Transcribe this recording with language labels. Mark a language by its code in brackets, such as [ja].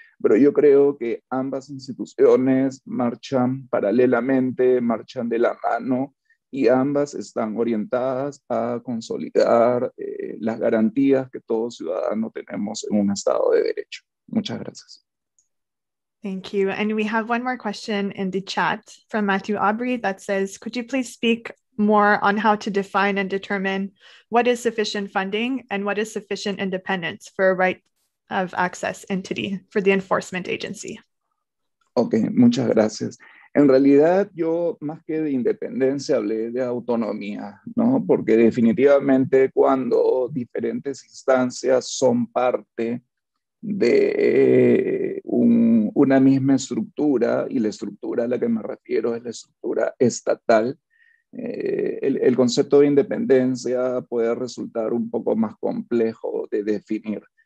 [es] Pero yo creo que ambas instituciones marchan paralelamente, marchan de la mano y ambas están orientadas a consolidar las garantías que todo ciudadano tenemos en un Estado de Derecho. Muchas gracias. [en] Thank you. And we have one more question in the chat from Matthew Aubrey that says, could you please speak more on how to define and determine what is sufficient funding and what is sufficient independence for a right of access entity for the enforcement agency? [es] Okay, muchas gracias. En realidad, yo más que de independencia hablé de autonomía, ¿no? Porque definitivamente cuando diferentes instancias son parte de una misma estructura, y la estructura a la que me refiero es la estructura estatal, el concepto de independencia puede resultar un poco más complejo de definir.